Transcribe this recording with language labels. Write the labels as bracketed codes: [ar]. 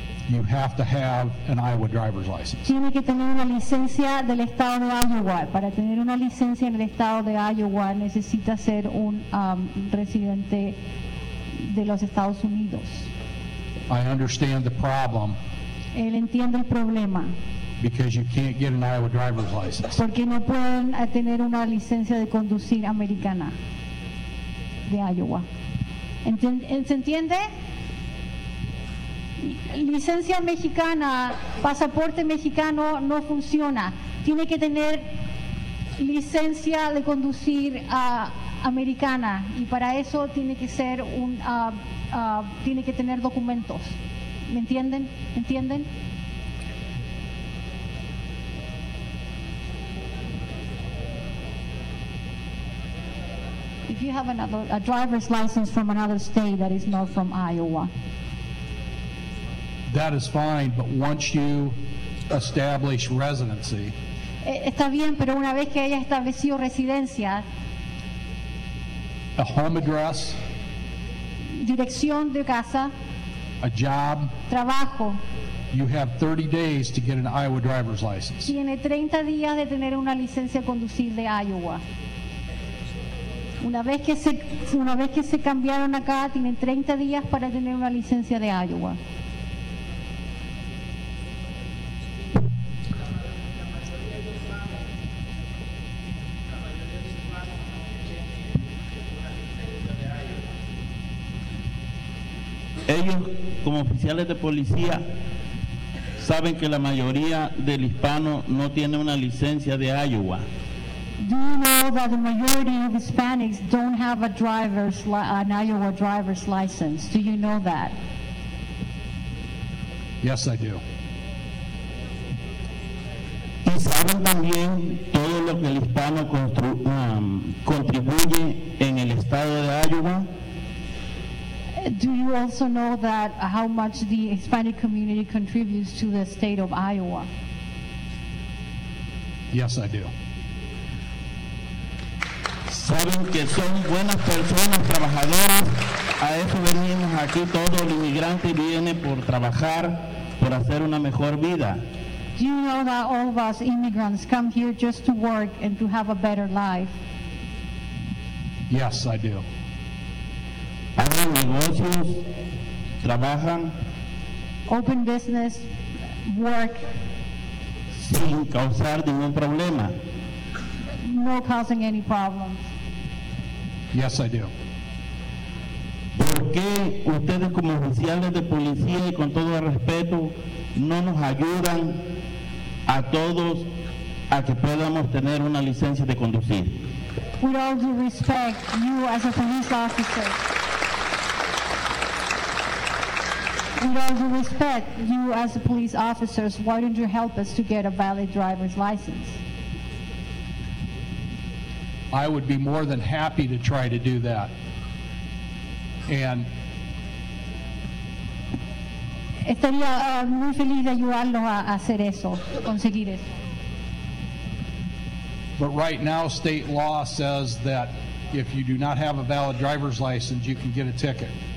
[en] You have to have an Iowa driver's license. [es] Tiene que tener una licencia del estado de Iowa. Para tener una licencia en el estado de Iowa necesita ser un residente de los Estados Unidos. [en] I understand the problem. [es] Él entiende el problema. [en] Because you can't get an Iowa driver's license. [es] Porque no pueden tener una licencia de conducir americana de Iowa. ¿Se entiende? Licencia mexicana, pasaporte mexicano no funciona. Tiene que tener licencia de conducir americana y para eso tiene que ser un tiene que tener documentos. ¿Me entienden? ¿Entienden? [en] If you have a driver's license from another state that is not from Iowa. That is fine, but once you establish residency. [es] Está bien, pero una vez que haya establecido residencia. [en] A home address. [es] Dirección de casa. [en] A job. [es] Trabajo. [en] you have 30 days to get an Iowa driver's license. [es] Tiene 30 días de tener una licencia de conducir de Iowa. Una vez que se cambiaron acá, tienen 30 días para tener una licencia de Iowa. Ellos, como oficiales de policía, saben que la mayoría del hispano no tiene una licencia de Iowa. [en] Do you know that the majority of Hispanics don't have an Iowa driver's license? Do you know that? Yes, I do. [es] ¿Y saben también todo lo que el hispano contribuye en el estado de Iowa? [en] Do you also know that how much the Hispanic community contributes to the state of Iowa? Yes, I do. [es] Saben que son buenas personas, trabajadoras. A eso venimos aquí. Todo el inmigrante viene por trabajar, por hacer una mejor vida. [en] Do you know that all of us immigrants come here just to work and to have a better life? Yes, I do. [es] Negocios, trabajan, [en] open business, work, [es] sin causar ningún problema, [en] no causing any problems. Yes, I do. [es] ¿Por qué ustedes como oficiales de policía y con todo el respeto no nos ayudan a todos a que podamos tener una licencia de conducir? [en] With all due respect, you as a police officer. With all due respect, you as the police officers, why don't you help us to get a valid driver's license? I would be more than happy to try to do that. And [es] estaría muy feliz de ayudarlo a hacer eso, conseguir eso. [en] But right now, state law says that if you do not have a valid driver's license, you can get a ticket.